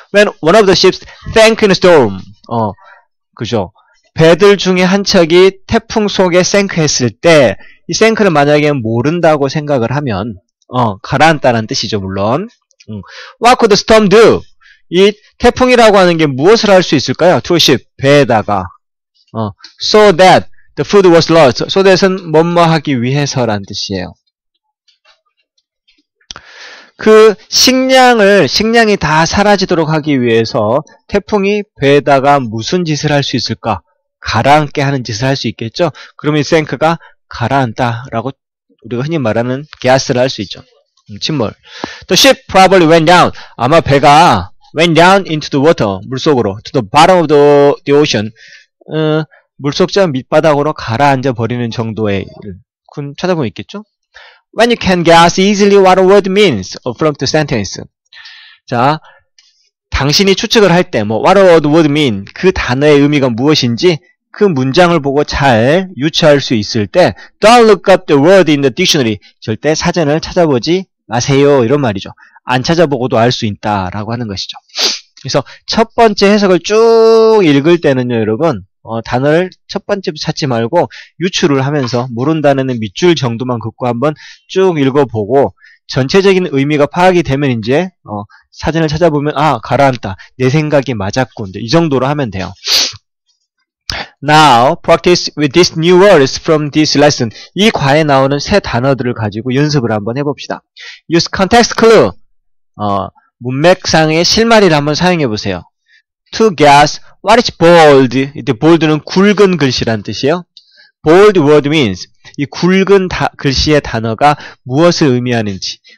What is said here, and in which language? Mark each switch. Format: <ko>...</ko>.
<en>When one of the ships sank in a storm,</en> <ko>그죠? 배들 중에 한 척이 태풍 속에 생크했을 때, 이 생크를 만약에 모른다고 생각을 하면, 가라앉다는 뜻이죠, 물론.</ko> <en>What could the storm do?</en> <ko>이 태풍이라고 하는 게 무엇을 할수 있을까요?</ko> <en>To a ship,</en> <ko>배에다가.</ko> <en>So that the food was lost. So that</en> <ko>은 뭐뭐 하기 위해서란 뜻이에요. 그 식량이 다 사라지도록 하기 위해서 태풍이 배에다가 무슨 짓을 할수 있을까? 가라앉게 하는 짓을 할수 있겠죠? 그러면 이 생크가 가라앉다라고 우리가 흔히 말하는 게아스를 할수 있죠.</ko> <en>침몰. The ship probably went down.</en> <ko>아마 배가</ko> <en>went down into the water.</en> <ko>물속으로.</ko> <en>To the bottom of the ocean.</en> <ko>물속 저 밑바닥으로 가라앉아 버리는 정도의 군 찾아보면 있겠죠?</ko> <en>When you can guess easily what a word means from the sentence.</en> <ko>자, 당신이 추측을 할 때, 뭐,</ko> <en>what a word mean.</en> <ko>그 단어의 의미가 무엇인지, 그 문장을 보고 잘 유추할 수 있을 때,</ko> <en>Don't look up the word in the dictionary.</en> <ko>절대 사전을 찾아보지 마세요. 이런 말이죠. 안 찾아보고도 알수 있다라고 하는 것이죠. 그래서 첫 번째 해석을 쭉 읽을 때는요, 여러분, 단어를 첫 번째부터 찾지 말고 유추를 하면서 모른다는 밑줄 정도만 긋고 한번 쭉 읽어보고 전체적인 의미가 파악이 되면 이제 사전을 찾아보면 아 가라앉다 내 생각이 맞았군 이 정도로 하면 돼요.</ko> <en>Now practice with these new words from this lesson.</en> <ko>이 과에 나오는 새 단어들을 가지고 연습을 한번 해봅시다.</ko> <en>Use context clue.</en> <ko>문맥상의 실마리를 한번 사용해 보세요.</ko> <en>To guess what is bold.</en> <ko>이때 bold는 굵은 글씨란 뜻이에요.</ko> <en>Bold word means</en> <ko>이 굵은 글씨의 단어가 무엇을 의미하는지.</ko>